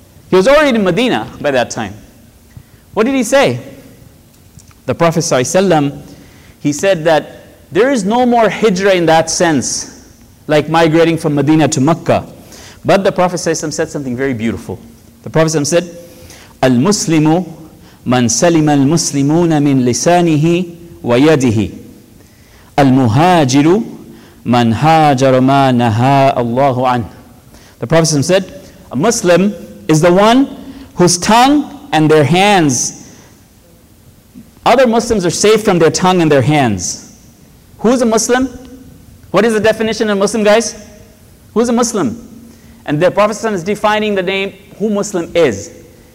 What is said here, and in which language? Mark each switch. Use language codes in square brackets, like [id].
[en] He was already in Medina by that time. What did he say? The Prophet ﷺ, he said that there is no more hijrah in that sense, like migrating from Medina to Makkah. But the Prophet ﷺ said something very beautiful. The Prophet ﷺ said, [ar] المسلم من سلم المسلمون من لسانه ويده المهاجر من هاجر ما نهى الله عنه. [en] The Prophet said, a Muslim is the one whose tongue and their hands, other Muslims are safe from their tongue and their hands. Who's a Muslim? What is the definition of Muslim, guys? Who's a Muslim? And the Prophet is defining the name, who Muslim is.